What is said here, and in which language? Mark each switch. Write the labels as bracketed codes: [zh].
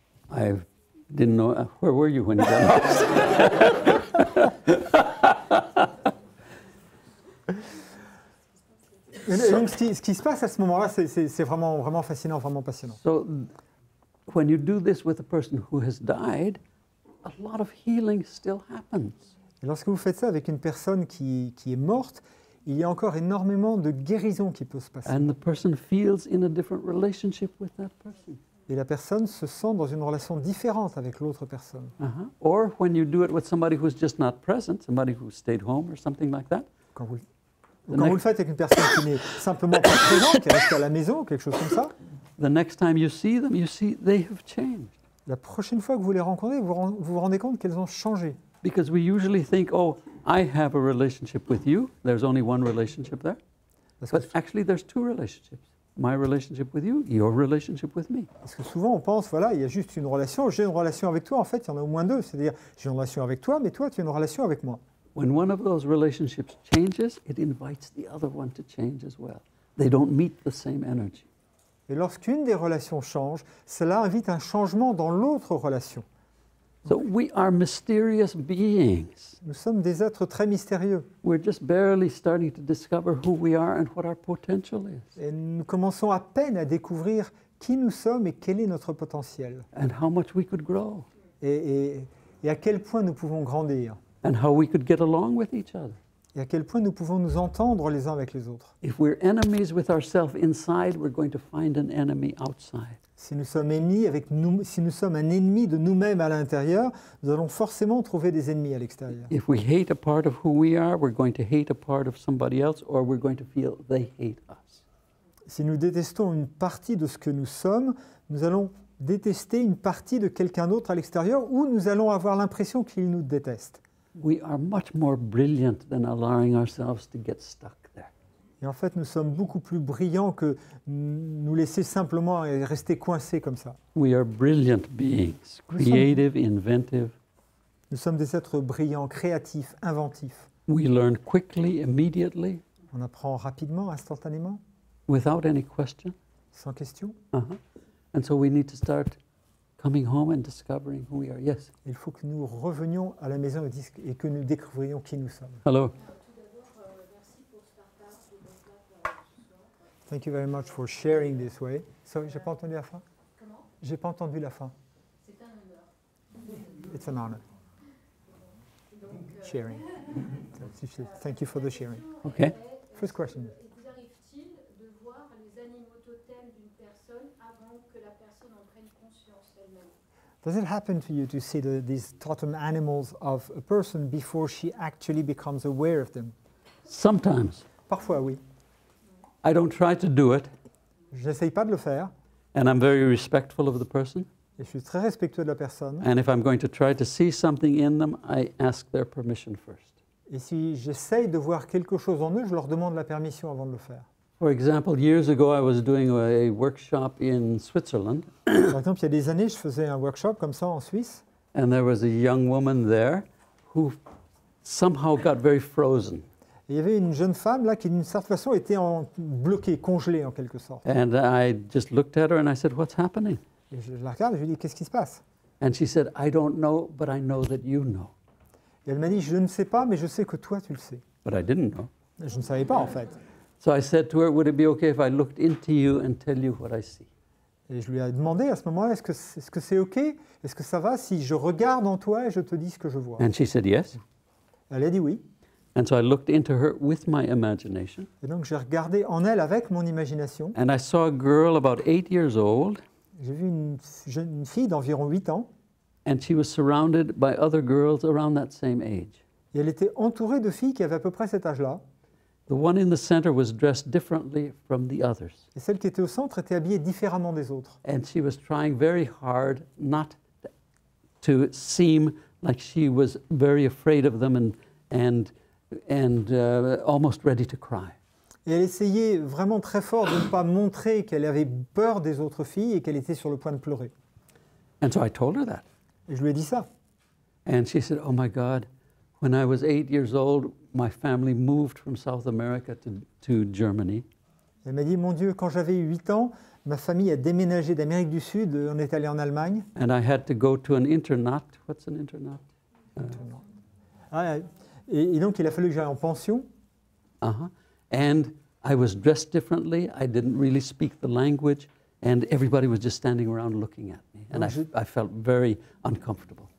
[en] I didn't know... Where were you when you got lost? [fr] Et donc, ce qui se passe à ce moment-là, c'est vraiment, vraiment fascinant, vraiment passionnant. [en] So, when you do this with a person who has died, a lot of healing still happens. [fr] Et lorsque vous faites ça avec une personne qui est morte, il y a encore énormément de guérison qui peut se passer. [en] And the person feels in a different relationship with that person. [fr] Et la personne se sent dans une relation différente avec l'autre personne. Uh-huh. [en] Or when you do it with somebody who's just not present, somebody who stayed home or something like that. [fr] Quand vous le faites avec une personne qui n'est simplement pas présente, qui reste à la maison, quelque chose comme ça. [en] The next time you see them, you see they have changed. [fr] La prochaine fois que vous les rencontrez, vous rendez compte qu'elles ont changé. [en] Because we usually think, oh, I have a relationship with you. There's only one relationship there. But actually, there's two relationships. My relationship with you, your relationship with me. [fr] Parce que souvent, on pense, voilà, il y a juste une relation. J'ai une relation avec toi. En fait, il y en a au moins deux. C'est-à-dire, j'ai une relation avec toi, mais toi, tu as une relation avec moi. [en] When one of those relationships changes, it invites the other one to change as well. They don't meet the same energy. [fr] Et lorsqu'une des relations change, cela invite un changement dans l'autre relation. [en] So we are mysterious beings. [fr] Nous sommes des êtres très mystérieux. [en] We're just barely starting to discover who we are and what our potential is. [fr] Et nous commençons à peine à découvrir qui nous sommes et quel est notre potentiel. [en] And how much we could grow. [fr] Et à quel point nous pouvons grandir. [en] And how we could get along with each other. [fr] Et à quel point nous pouvons nous entendre les uns avec les autres. [en] If we're enemies with ourselves inside, we're going to find an enemy outside. [fr] Si nous sommes un ennemi de nous-mêmes à l'intérieur, nous allons forcément trouver des ennemis à l'extérieur. [en] If we hate a part of who we are, we're going to hate a part of somebody else, or we're going to feel they hate us. [fr] Si nous détestons une partie de ce que nous sommes, nous allons détester une partie de quelqu'un d'autre à l'extérieur, ou nous allons avoir l'impression qu'il nous déteste. [en] We are much more brilliant than allowing ourselves to get stuck there. [fr] Et en fait, nous sommes beaucoup plus brillants que nous laisser simplement rester coincés comme ça. [en] We are brilliant beings, creative, inventive. [fr] Nous sommes des êtres brillants, créatifs, inventifs. [en] We learn quickly, immediately. [fr] On apprend rapidement, instantanément. [en] Without any question. [fr] Sans question. Uh-huh. [en] And so we need to start coming home and discovering who we are. Yes. [fr] Il faut que nous revenions à la maison et que nous découvrions qui nous sommes. [en] Hello. Thank you very much for sharing this way. [fr] Sorry, j'ai pas entendu la fin. Comment? J'ai pas entendu la fin. C'est un honneur. [en] It's an honor. Donc, sharing. Thank you for the sharing. Okay. First question. Does it happen to you to see these totem animals of a person before she actually becomes aware of them? Sometimes. [fr] Parfois, oui. [en] I don't try to do it. [fr] J'essaye pas de le faire. [en] And I'm very respectful of the person. [fr] Et je suis très respectueux de la personne. [en] And if I'm going to try to see something in them, I ask their permission first. [fr] Et si j'essaye de voir quelque chose en eux, je leur demande la permission avant de le faire. [en] For example, years ago, I was doing a workshop in Switzerland. [fr] Par exemple, il y a des années, je faisais un workshop comme ça en Suisse. [en] And there was a young woman there who somehow got very frozen. [fr] Il y avait une jeune femme là qui, d'une certaine façon, était bloquée, congelée en quelque sorte. [en] And I just looked at her and I said, "What's happening?" [fr] Et je la regarde, je lui dis, "Qu'est-ce qui se passe?" [en] And she said, "I don't know, but I know that you know." [fr] Et elle m'a dit, "Je ne sais pas, mais je sais que toi, tu le sais." [en] But I didn't know. [fr] Je ne savais pas, en fait. [en] So I said to her, "Would it be okay if I looked into you and tell you what I see?" [fr] Et je lui ai demandé à ce moment-là, est-ce que c'est OK? Est-ce que ça va si je regarde en toi et je te dis ce que je vois? [en] And she said yes. [fr] Elle a dit oui. [en] And so I looked into her with my imagination. [fr] Et donc j'ai regardé en elle avec mon imagination. [en] And I saw a girl about 8 years old. [fr] J'ai vu une fille d'environ 8 ans. [en] And she was surrounded by other girls around that same age. [fr] Et elle était entourée de filles qui avaient à peu près cet âge-là. [en] The one in the center was dressed differently from the others. [fr] Et celle qui était au centre était habillée différemment des autres. [en] And she was trying very hard not to seem like she was very afraid of them and almost ready to cry. [fr] Et elle essayait vraiment très fort de ne pas montrer qu'elle avait peur des autres filles et qu'elle était sur le point de pleurer. [en] And so I told her that. [fr] Et je lui ai dit ça. [en] And she said, "Oh my God, when I was 8 years old, my family moved from South America to Germany." [fr] Elle m'a dit, mon Dieu, quand j'avais 8 ans, ma famille a déménagé d'Amérique du Sud, on est allé en Allemagne. [en] And I had to go to an internat. What's an internat? [fr] Et donc il a fallu que j'aille en pension. [en] Uh-huh. And I was dressed differently. I didn't really speak the language, and everybody was just standing around looking at me, and I felt very uncomfortable.